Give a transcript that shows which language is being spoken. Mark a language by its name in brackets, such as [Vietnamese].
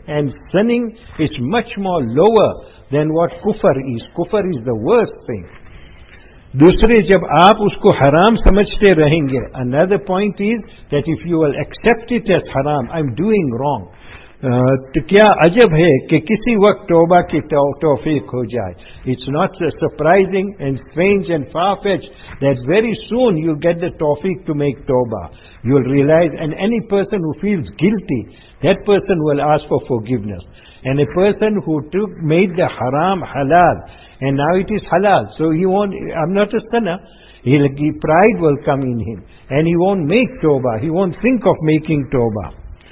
[English] And sinning is much more lower than what kufr is. Kufr is the worst thing. [Urdu] دوسرے جب آپ اس کو حرام سمجھتے رہیں گے, [English] another point is that if you will accept it as حرام, I'm doing wrong, [Urdu] تو کیا عجب ہے کہ کسی وقت توبہ کی توفیق ہو جائے. [English] It's not surprising and strange and far-fetched that very soon you get the توفیق to make توبہ. You'll realize, and any person who feels guilty, that person will ask for forgiveness. And a person who made the haram halal, and now it is halal, so he won't, I'm not a sinner, pride will come in him, and he won't make tawbah, he won't think of making tawbah.